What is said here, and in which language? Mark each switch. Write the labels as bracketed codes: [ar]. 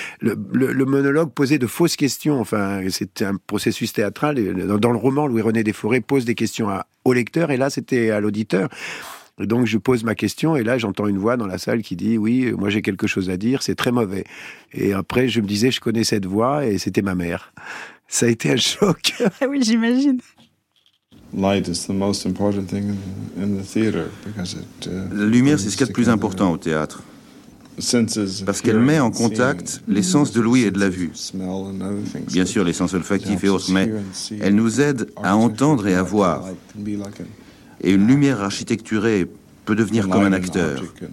[fr] Le monologue posait de fausses questions. Enfin, c'était un processus théâtral. Dans le roman, Louis-René Desforêts pose des questions au lecteur. Et là, c'était à l'auditeur. Et donc je pose ma question. Et là, j'entends une voix dans la salle qui dit, oui, moi j'ai quelque chose à dire. C'est très mauvais. Et après, je me disais, je connais cette voix. Et c'était ma mère. Ça a été un choc. Ah oui, j'imagine. [en] Light is the most important thing in the theater because it. [fr] La lumière, c'est ce qu'il y a de plus important au théâtre. Parce qu'elle met en contact les sens de l'ouïe et de la vue. Bien sûr, les sens olfactifs et autres, mais elle nous aide à entendre et à voir. Et une lumière architecturée peut devenir comme un acteur.